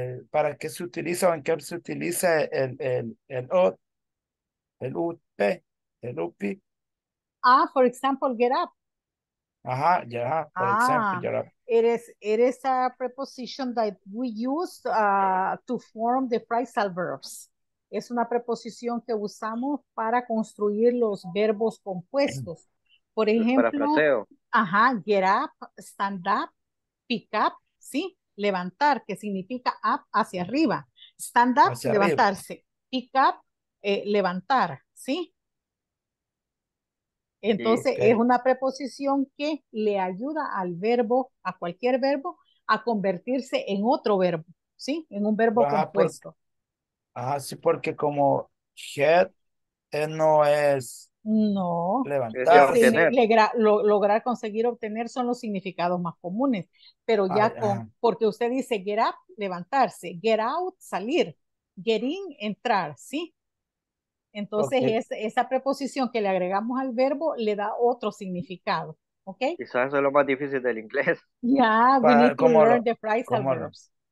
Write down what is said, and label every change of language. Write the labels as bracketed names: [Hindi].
[Spanish] para qué se utiliza o en qué se utiliza el UPI. [English] Ah, for example, get up. Ajá, yeah, It is a preposition that we use to form the phrasal verbs. [Spanish] Es una preposición que usamos para construir los verbos compuestos. Por ejemplo, get up, stand up, pick up, ¿sí? Levantar, que significa up, hacia arriba. Stand up, hacia levantarse. Arriba. Pick up, levantar, ¿sí? Entonces, okay. Es una preposición que le ayuda al verbo, a cualquier verbo, a convertirse en otro verbo, ¿sí? En un verbo compuesto. Porque como head no es no. Levantar. Es lograr conseguir obtener son los significados más comunes. Pero ya porque usted dice get up, levantarse, get out, salir, get in, entrar, ¿sí? Entonces, okay. Esa preposición que le agregamos al verbo le da otro significado, ¿ok? Quizás eso es lo más difícil del inglés. [English] Ya, yeah, we need to learn the phrasal verbs.